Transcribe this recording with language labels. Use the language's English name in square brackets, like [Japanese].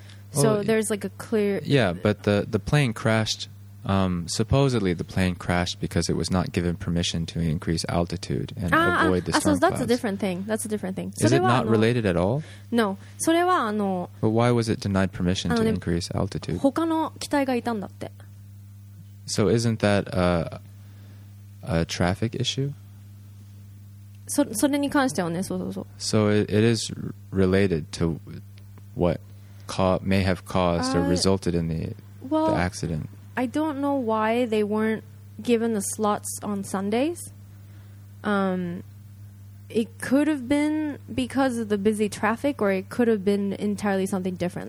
[English] So well, there's like a clear... Yeah, but the plane crashedsupposedly the plane crashed because it was not given permission to increase altitude and avoid the storm clouds. So that's a different thing. That's a different thing. Is it not related at all? [Japanese] No. それはあの [English] But why was it denied permission to increase altitude? [Japanese] 他の機体がいたんだって。 [English] So isn't that a traffic issue? [Japanese] それに関してはね、そうそうそう。 [English] So it is related to what may have caused or resulted in the accident. I don't know why they weren't given the slots on Sundays. It could have been because of the busy traffic, or it could have been entirely something different.